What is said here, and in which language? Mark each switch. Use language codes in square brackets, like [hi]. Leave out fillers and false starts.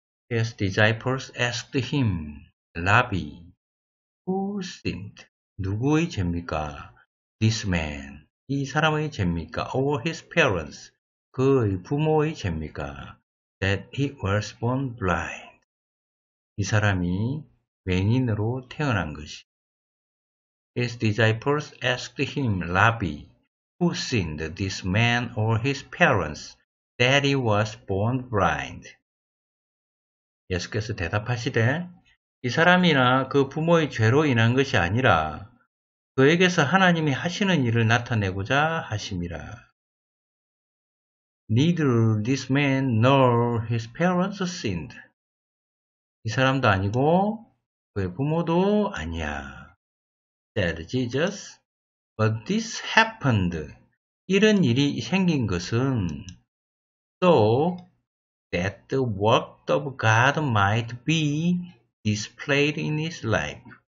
[en] His disciples asked him, 랍비, who sinned? [ko] 누구의 죄입니까? [en] This man. [ko] 이 사람의 죄입니까? [en] Or his parents, [ko] 그의 부모의 죄입니까? [en] That he was born blind. [ko] 이 사람이 맹인으로 태어난 것이. [en] His disciples asked him, Rabbi, who sinned, this man or his parents, that he was born blind? [ko] 예수께서 대답하시되, 이 사람이나 그 부모의 죄로 인한 것이 아니라, 그에게서 하나님이 하시는 일을 나타내고자 하심이라. [en] Neither this man nor his parents sinned. [ko] 이 사람도 아니고 그의 부모도 아니야. [en] Said Jesus. But this happened. [ko] 이런 일이 생긴 것은 [en] so that the work of God might be displayed in his life.